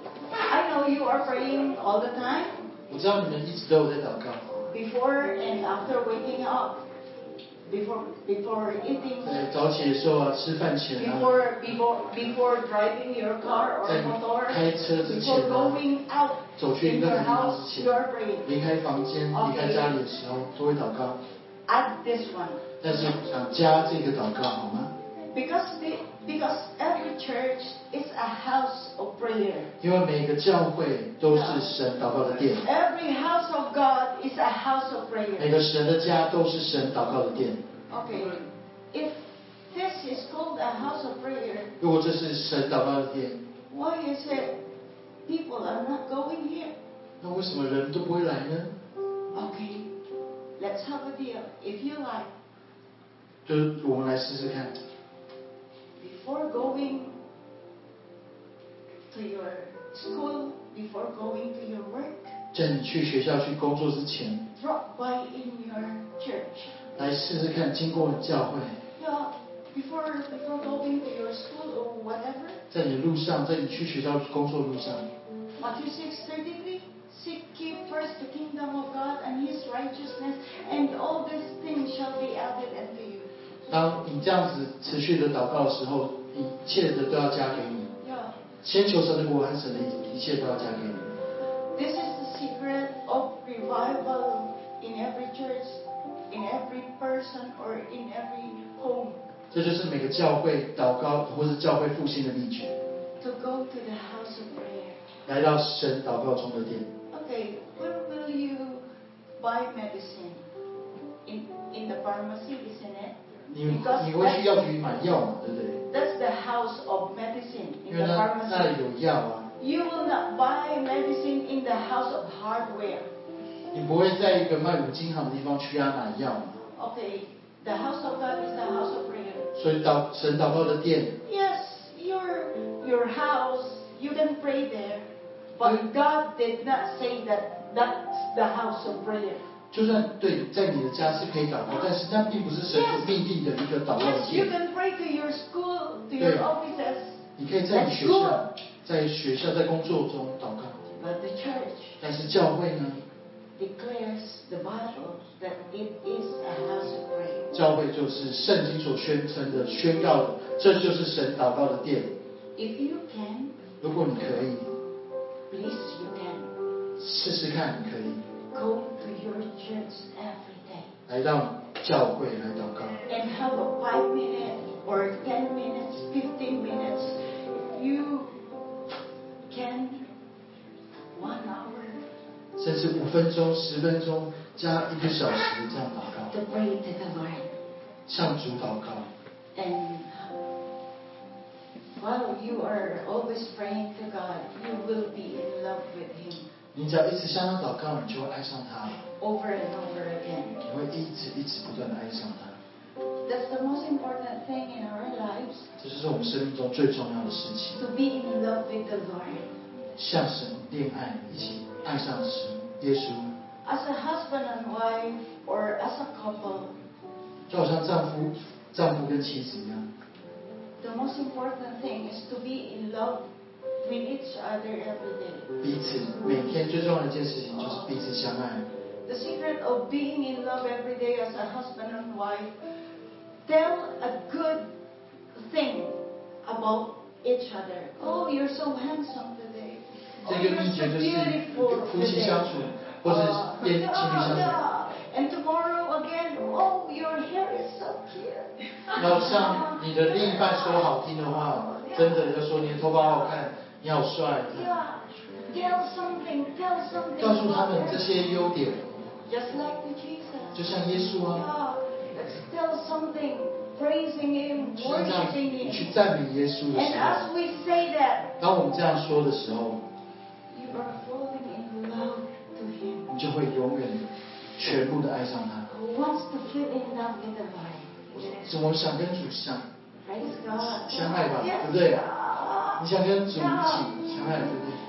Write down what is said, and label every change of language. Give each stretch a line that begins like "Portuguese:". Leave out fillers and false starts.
English: I know you are praying all the time.
Chinese: 我知道你们一直都有在祷告。
English: Before and after waking up. Before eating.
Chinese: 对，早起的时候啊，吃饭前啊。
English: Before driving your car or motor.
Chinese: 在开车之前啊。
English: Before going out.
Chinese: 走去另外一个地方之前。
English: You are praying.
Chinese: 离开房间、
English: okay.
Chinese: 离开家里的时候都会祷告。
English: Add this one.
Chinese: 但是想加这个祷告好吗？
English: Because every church is a house of prayer.
Chinese: 因为每个教会都是神祷告的殿。
English: Every house of God is a house of prayer.
Chinese: 每个神的家都是神祷告的殿。
English: Okay, if this is called a house of prayer,
Chinese: 如果这是神祷告的殿
English: ，Why is it people are not going here?
Chinese: 那为什么人都不会来呢
English: ？Okay, let's have a deal. If you like,
Chinese: 就是我们来试试看。
English: Before going to your school, before going to your work,
Chinese: 在你去学校去工作之前
English: drop by in your church.
Chinese: 来试试看经过教会
English: Yeah, before going to your school or whatever.
Chinese: 在你路上，在你去学校工作路上
English: Matthew 6:33, seek ye first the kingdom of God and His righteousness, and all these things shall be added unto you.
Chinese: 当你这样子持续的祷告的时候，一切的都要加给你。
English: Yeah.
Chinese: 先求神的国和神的一切都要加给你。
English: This is the secret of revival in every church, in every person, or in every home.
Chinese: 这就是每个教会祷告或是教会复兴的秘诀。
English: To go to the house of prayer.
Chinese: 来到神祷告中的殿。
English: Okay, when will you buy medicine? In the pharmacy, isn't it?
Chinese: 你会去药局买药嘛，对不对
English: ？That's the house of medicine in the pharmacy.
Chinese: 因为那里有药啊。
English: You will not buy medicine in the house of hardware.
Chinese: 你不会在一个卖五金行的地方去要买药嘛
English: ？Okay, the house of God is the house of prayer.
Chinese: 所以神祷告的殿。
English: Yes, your house, you can pray there, but God did not say that's the house of prayer.
Chinese: 就算对在你的家是可以祷告，但是那并不是神所命定的一个祷告的殿。
English: Yes, to your school, to your offices,
Chinese: 你可以在你学校，在学校在工作中祷告。
English: But the church,
Chinese: 但是教会呢
English: ？Declares the Bible that it is a house of prayer.
Chinese: 教会就是圣经所宣称的、宣告的，这就是神祷告的殿。
English: If you can,
Chinese: 如果你可以
English: ，Please you can,
Chinese: 试试看可以。
English: Go to your church every day.
Chinese: 来到教会来祷告。
English: And have a 5 minutes or 10 minutes, 15 minutes. If you can, 1 hour.
Chinese: 甚至五分钟、十分钟，加一个小时这样祷告。
English: To pray to the Lord.
Chinese: 向主祷告。
English: And while you are always praying to God, you will be in love with Him.
Chinese: 你只要一直向他祷告，你就会爱上他。
English: Over and over again.
Chinese: 你会一直一直不断的爱上他。
English: That's the most important thing in our lives.
Chinese: 这就是我们生命中最重要的事情。
English: To be in love with the Lord.
Chinese: 向神恋爱，以及爱上神耶稣。
English: As a husband and wife, or as a couple.
Chinese: 就好像丈夫跟妻子一样。
English: The most important thing is to be in love. With each other every day.
Chinese: 彼此每天最重要的一件事情就是彼此相爱。
English: The secret of being in love every day as a husband and wife, tell a good thing about each other. Oh, you're so handsome today. Oh, you're so beautiful today.
Chinese: 夫妻相处，或者是情侣相处。
English: And tomorrow again, oh, your hair is so cute.
Chinese: 要向你的另一半说好听的话，真的要说你的头发好看。你好帅。
English: Yeah, tell something.
Chinese: 告诉他们这些优点。
English: Just like the Jesus.
Chinese: 就像耶稣啊。
English: Yeah, tell something, praising him, worshiping him.
Chinese: 你去赞美耶稣的时候。
English: And as we say that.
Chinese: 当我们这样说的时候。
English: You are falling in love to him.
Chinese: 你就会永远全部的爱上他。
English: Who wants to fall in love with the Lord?
Chinese: 怎么想跟主相？
English: Praise God.
Chinese: 相爱吧， yes. 对不对？你想跟主一起相爱，对不对